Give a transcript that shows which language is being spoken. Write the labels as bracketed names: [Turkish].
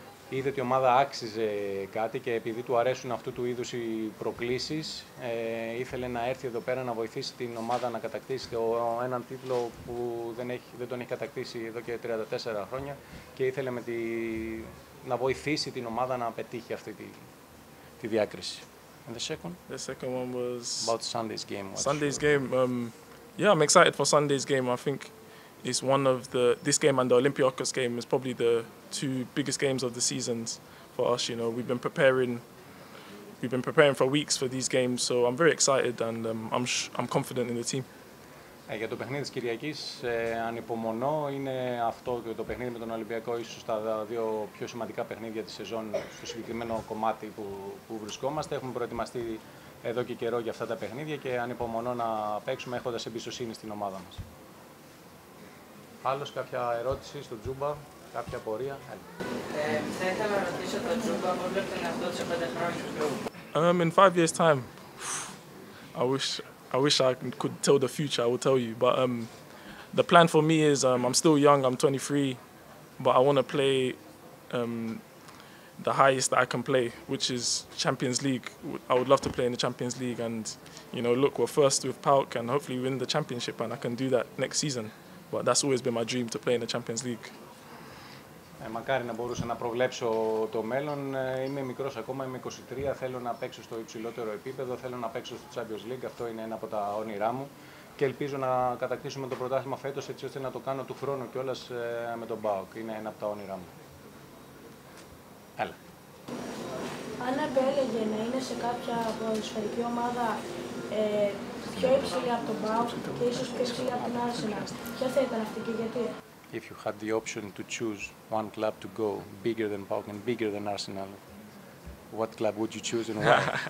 [Greek] Είδε ότι η ομάδα άξιζε κάτι και επειδή του αρέσουν αυτού του είδους οι προκλήσεις, ήθελε να έρθει εδώ πέρα να βοηθήσει την ομάδα να κατακτήσει έναν τίτλο που δεν τον έχει κατακτήσει εδώ και 34 χρόνια και ήθελε να βοηθήσει την ομάδα να πετύχει αυτή τη διάκριση. [English] And the second one was about Sunday's game. Sunday's game, yeah, I'm excited for Sunday's game. I think it's one of this game and the Olympiacos game is probably the two biggest games of the seasons for us. You know, we've been preparing for weeks for these games, so I'm very excited and I'm confident in the team. [Greek] Για το παιχνίδι της Κυριακής ανυπομονώ, είναι αυτό και το παιχνίδι με τον Ολυμπιακό ίσως τα δύο πιο σημαντικά παιχνίδια της σεζόν στο συγκεκριμένο κομμάτι που βρισκόμαστε. Έχουμε προετοιμαστεί εδώ και καιρό για αυτά τα παιχνίδια και ανυπομονώ να παίξουμε έχοντας εμπιστοσύνη στην ομάδα μας. Άλλος κάποια ερώτηση στον Τζούμπα, κάποια απορία. Θα ήθελα να ρωτήσω τον Τζούμπα πώς βλέπετε τον εαυτό σε 5 χρόνια. [English] In 5 years time, I wish I could tell the future, I will tell you. But the plan for me is, I'm still young, I'm 23, but I want to play the highest that I can play, which is Champions League. I would love to play in the Champions League and, you know, look, we're first with PAOK and hopefully win the championship and I can do that next season. But that's always been my dream, to play in the Champions League. [Greek] Μακάρι να μπορούσα να προβλέψω το μέλλον. Είμαι μικρός ακόμα, είμαι 23. Θέλω να παίξω στο υψηλότερο επίπεδο. Θέλω να παίξω στο Champions League. Αυτό είναι ένα από τα όνειρά μου. Και ελπίζω να κατακτήσουμε το πρωτάθλημα φέτος, έτσι ώστε να το κάνω του χρόνου κιόλας με τον ΠΑΟΚ. Είναι ένα από τα όνειρά μου. Έλα. Αν επέλεγε να είναι σε κάποια ποδοσφαιρική ομάδα πιο υψηλή από τον ΠΑΟΚ και ίσως πιο υψηλή από την Άρσεναλ, ποια θα ήταν αυτή και γιατί? [English] If you had the option to choose one club to go bigger than PAOK and bigger than Arsenal, what club would you choose and why?